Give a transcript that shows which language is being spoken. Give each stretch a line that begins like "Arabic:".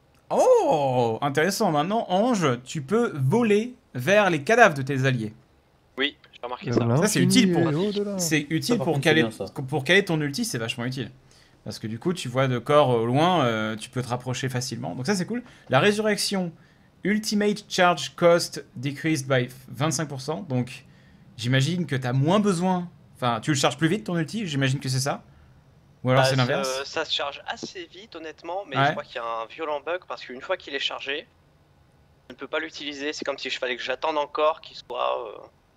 French: Oh, intéressant. Maintenant, Ange, tu peux voler vers les cadavres de tes alliés. Oui, j'ai remarqué ça. L'infini, ça, c'est utile pour... C'est utile ça, pour caler ton ulti, c'est vachement utile. Parce que du coup, tu vois de corps au loin, tu peux te rapprocher facilement. Donc ça, c'est cool. La résurrection...
English: Ultimate charge cost decreased by 25%.
French: Donc, j'imagine que t'as moins besoin. Enfin, tu le charges plus vite ton ulti. J'imagine que c'est ça. Ou alors c'est l'inverse. Ça se charge assez vite, honnêtement. Mais ouais. Je crois qu'il y a un violent bug parce qu'une fois qu'il est chargé, je ne peux pas l'utiliser. C'est comme si je fallait que j'attende encore qu'il soit.